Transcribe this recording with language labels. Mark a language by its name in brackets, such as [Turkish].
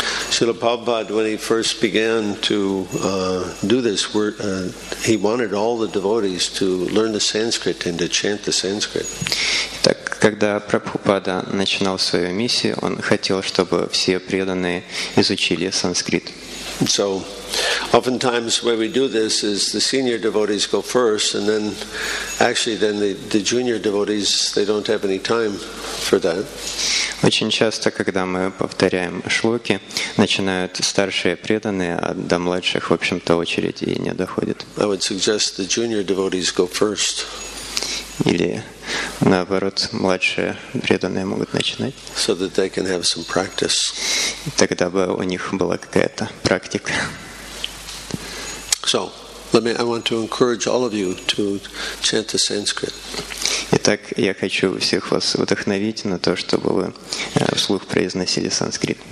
[English] Srila Prabhupada, when he first began to do this, he wanted all the devotees to learn the Sanskrit and to chant the Sanskrit. [Russian] Так, когда Прабхупада начинал свою миссию, он хотел, чтобы все преданные изучили санскрит. [English] So, oftentimes the way we do this is the senior devotees go first, and then actually then the junior devotees, they don't have any time for that. [Russian] Очень часто, когда мы повторяем шлоки, начинают старшие преданные, а до младших, в общем-то, очередь и не доходит. [English] I would suggest the junior devotees go first. [Russian] Или, наоборот, младшие преданные могут начинать. [English] So that they can have some practice. [Russian] Тогда бы у них была какая-то практика. [English] So, I want to encourage all of you to chant the Sanskrit. [Russian] Итак, я хочу всех вас вдохновить на то, чтобы вы вслух произносили санскрит.